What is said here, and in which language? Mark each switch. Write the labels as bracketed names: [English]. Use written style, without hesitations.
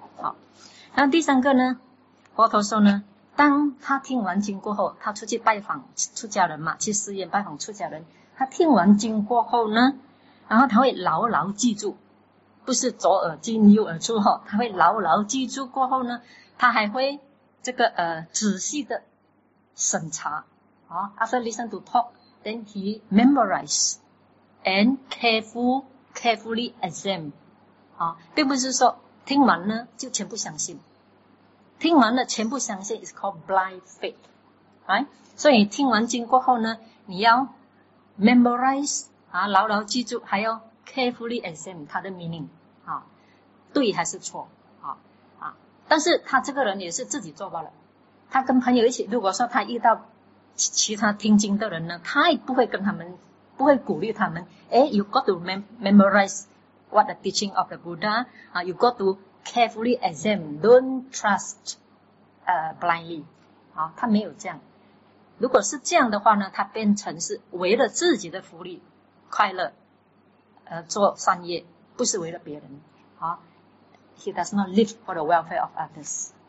[Chinese] 好，那第三个呢，佛陀说呢，当他听完经过后，他出去拜访出家人嘛，去寺院拜访出家人，他听完经过后呢，然后他会牢牢记住，不是左耳进右耳出哈，他会牢牢记住过后呢，他还会这个仔细的审查。 [English] After listen to talk, then he memorize and carefully examine. [Chinese] 好，并不是说听完呢就全部相信。听完了全部相信 [English] is called blind faith. Right? [Chinese] 所以听完经过后呢，你要 memorize, 牢牢记住，还要 [English] carefully examine [Chinese] 它的 meaning. 好，对还是错。好，但是他这个人也是自己做罢了。他跟朋友一起，如果说他遇到其他听经的人呢，他也不会跟他们，不会鼓励他们。 [English] You got to memorize what the teaching of the Buddha. You got to carefully examine. Don't trust, blindly. [Chinese] 他没有这样。如果是这样的话呢，他变成是为了自己的福利、快乐，做善业，不是为了别人。 [English] He does not live for the welfare of others.